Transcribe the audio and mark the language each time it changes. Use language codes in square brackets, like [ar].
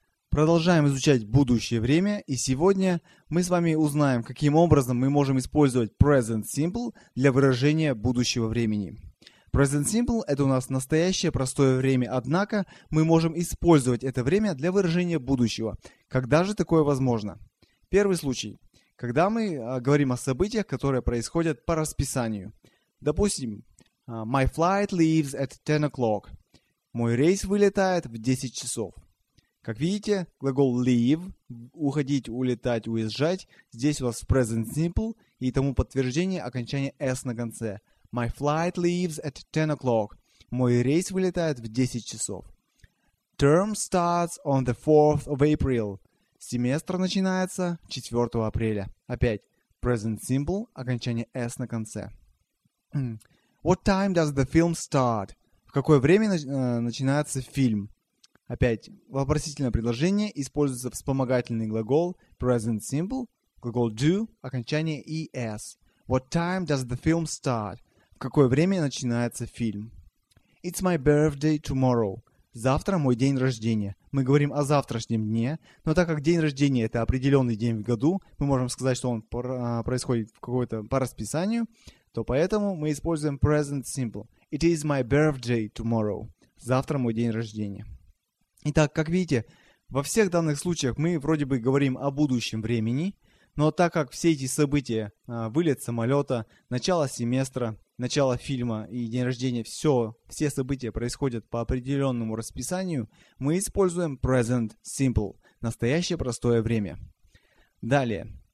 [ru] Продолжаем изучать будущее время, и сегодня мы с вами узнаем, каким образом мы можем использовать Present Simple для выражения будущего времени. Present Simple – это у нас настоящее простое время, однако мы можем использовать это время для выражения будущего. Когда же такое возможно? Первый случай – когда мы говорим о событиях, которые происходят по расписанию. Допустим, [en] «My flight leaves at 10 o'clock». [ru] «Мой рейс вылетает в 10 часов». Как видите, глагол leave – уходить, улетать, уезжать. Здесь у вас present simple и тому подтверждение окончание s на конце. [en] My flight leaves at 10 o'clock. [ru] Мой рейс вылетает в 10 часов. [en] Term starts on the 4th of April. [ru] Семестр начинается 4 апреля. Опять present simple, окончание s на конце. [en] What time does the film start? [ru] В какое время начинается фильм? Опять, вопросительное предложение, используется вспомогательный глагол present simple, глагол do, окончание es. [en] What time does the film start? [ru] В какое время начинается фильм? [en] It's my birthday tomorrow. [ru] Завтра мой день рождения. Мы говорим о завтрашнем дне, но так как день рождения – это определенный день в году, мы можем сказать, что он происходит в какой-то по расписанию, то поэтому мы используем present simple. [en] It is my birthday tomorrow. [ru] Завтра мой день рождения. Итак, как видите, во всех данных случаях мы вроде бы говорим о будущем времени, но так как все эти события, вылет самолета, начало семестра, начало фильма и день рождения, все события происходят по определенному расписанию, мы используем present simple, настоящее простое время. Далее.